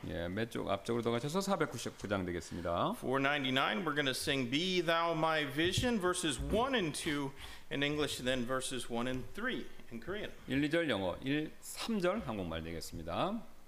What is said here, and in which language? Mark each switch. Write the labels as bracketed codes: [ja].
[ko] 예, 몇 쪽 앞쪽으로 더 가셔서 499장 되겠습니다. [en] 499, we're going to sing Be Thou My Vision verses 1 and 2 in English and then verses 1 and 3 in Korean. [ko] 1, 2절 영어, 1, 3절 한국말 되겠습니다.